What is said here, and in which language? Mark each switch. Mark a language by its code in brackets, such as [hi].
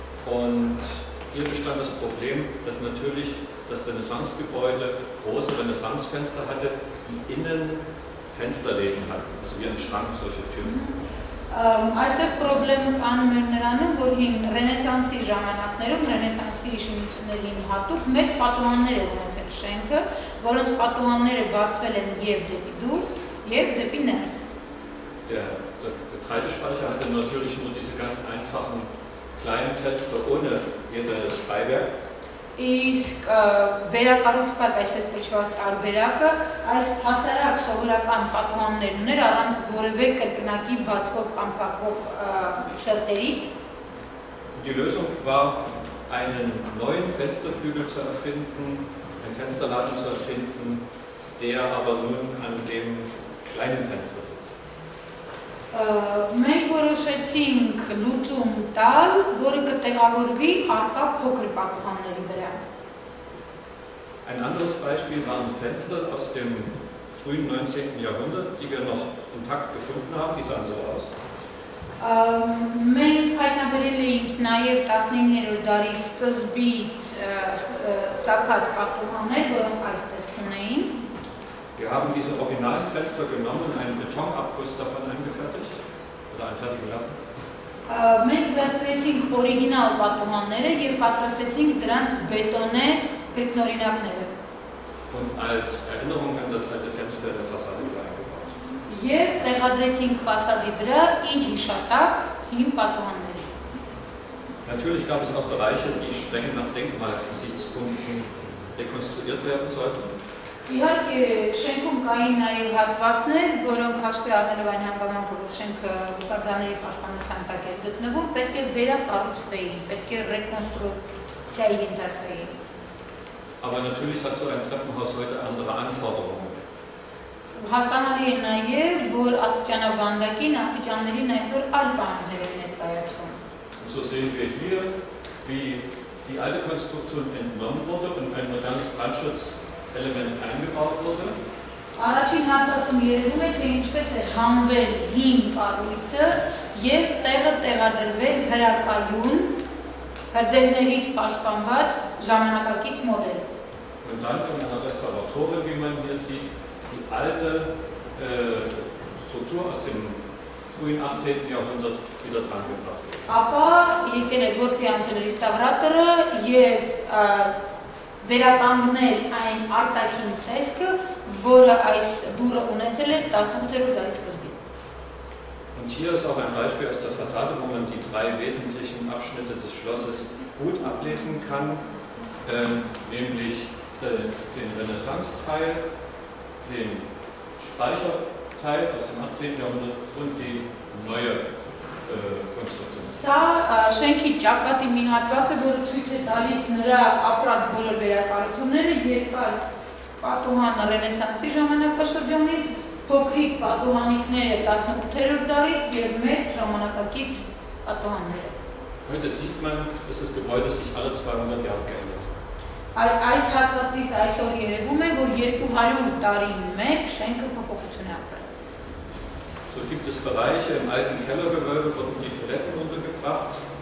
[de] Und hier bestand das Problem, dass natürlich das Renaissancegebäude große Renaissancefenster hatte, die innen Fensterläden hatten, also wie ein Schrank solche Türen. [hy] Այստեղ պրոբլեմը կանում էր նրանում, որ հին Ռենեսանսի ժամանակներում Ռենեսանսի իշխանություններին հատուկ մեր պատուհաններ են ունեցել շենքը, որոնց պատուհանները բացվել են եւ դեպի դուրս, եւ դեպի ներս. [de] Der Getreidespeicher hatte natürlich nur diese ganz einfachen kleinen Fenster ohne jederes Beiwerk. [hy] Իսկ վերակառուցված այսպես կոչված տարբերակը այս հասարակ սովորական պատուհաններ ուներ առանց որևէ կրկնակի բացվող կամ փակվող շերտերի։ [de] Die Lösung war, einen neuen Fensterflügel zu erfinden, ein Fensterladen zu erfinden, der aber nun an dem kleinen Fenster sitzt. [hy] Մենք որոշեցինք լուծում տալ, որը կտեղավորվի առկա փոքր պատուհանների վրա։ [de] Ein anderes Beispiel waren Fenster aus dem frühen 19. Jahrhundert, die wir noch intakt gefunden haben. Die sahen so aus. Wir haben diese originalen Fenster genommen, einen Betonabguss davon angefertigt oder anfertigen lassen. [hy] Մենք վերցրեցինք օրիգինալ պատուհանները եւ պատրաստեցինք դրանց բետոնե կրկնօրինակները։ [de] Und als Erinnerung an das alte Fenster der Fassade eingebaut. [hy] Եվ տեղադրեցինք ֆասադի վրա իր հիշատակ հին պատուհանների։ [de] Natürlich gab es auch Bereiche, die streng nach Denkmalgesichtspunkten rekonstruiert werden sollten. [hy] Իհարկե շենքում կային նաև հատվածներ, որոնք հաշվի առնելով այն հանգամանքը, որ շենքը հուշարձանների պաշտպանության տակ է գտնվում, պետք է վերակառուցվեին, պետք է ռեկոնստրուկցիայի ենթարկվեին։ [de] Aber natürlich hat so ein Treppenhaus heute andere Anforderungen. [hy] Հասկանալի է նաև, որ աստիճանավանդակին աստիճաններին այսօր այլ բաներ են ներկայացվում։ [de] Und so sehen wir hier, wie die alte Konstruktion entnommen wurde und ein modernes Brandschutzelement eingebaut wurde. [hy] Առաջին հատվածում երևում է, թե ինչպես է համվել հին կառույցը եւ տեղը տեղադրվել հրակայուն հրդեհներից պաշտպանված ժամանակակից մոդել։ [de] Und dann von einer Restauratorin, wie man hier sieht, die alte Struktur aus dem frühen 18. Jahrhundert wieder dran gebracht. [hy] Ապա եկել է գործի անցել ռեստավրատորը եւ վերականգնել այն արտաքին տեսքը, որը այս դուրը ունեցել է 18-րդ դարի սկզբին։ [de] Und hier ist auch ein Beispiel aus der Fassade, wo man die drei wesentlichen Abschnitte des Schlosses gut ablesen kann, nämlich den Renaissance-Teil, den Speicherteil aus dem 18. Jahrhundert und die neue Konstruktion. [hy] Սա շենքի ճակատի մի հատվածը, որը ցույց է տալիս նրա ապրած բոլոր վերակառուցումները, երկար պատուհան Ռենեսանսի ժամանակաշրջանից, փոքրիկ պատուհանիկները 18-րդ դարից եւ մեծ ժամանակակից պատուհանները։ [de] Heute sieht man, dass das Gebäude sich alle 200 Jahre geändert hat. [hy] Այս հատվածից այսօր երևում է, որ 200 տարին մեկ շենքը փոփոխություն է ապրել։ [de] So gibt es Bereiche im alten Kellergewölbe, wurden die Toiletten untergebracht.